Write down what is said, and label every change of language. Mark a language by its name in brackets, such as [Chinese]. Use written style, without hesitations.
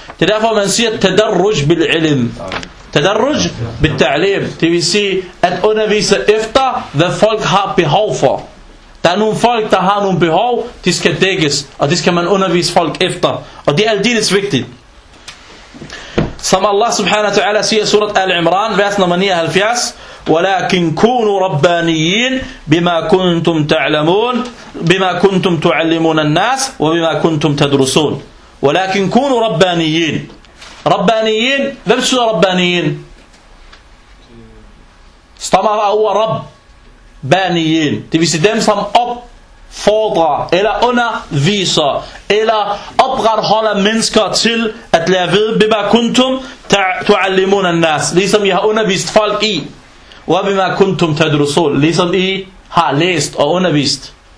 [Danish] Det er derfor, man siger, tadarruj bil-ilm. Tadarruj bil-ta'lim, det vil sige, at undervise efter, hvad folk har behov for. Der er nogle folk, der har nogle behov, de skal dækkes, og det skal man undervise folk efter. Og det er aldeles vigtigt. Som Allah subhanahu wa ta'ala siger i surat Al-Imran, vers nummer 79, [Arabic] وَلَكِنْ كُونُوا رَبَّانِيِّينَ بِمَا كُنْتُمْ تَعْلَمُونَ بِمَا كُنْتُمْ تُعَلِّمُونَ النَّاسِ وَبِمَا كُنْتُمْ تَدْرُسُونَ وَلَكِنْ كُونُوا رَبَّانِيِّينَ رَبَّانِيِّينَ [Danish] Hvem betyder [Arabic] رَبَّانِيِّينَ? [Danish] Stammer af ordet Rabbaniyin. Det vil sige dem, som opfordrer eller underviser eller opretholder mennesker til at lære ved [Arabic] بِمَا كُنْتُمْ تُعَلِّمُونَ النَّاسِ [Danish] ligesom jeg har undervist folk i. [Arabic] وَبِمَا كُنْتُمْ تَدْرُسُونَ [Danish] ligesom I har læst og undervist.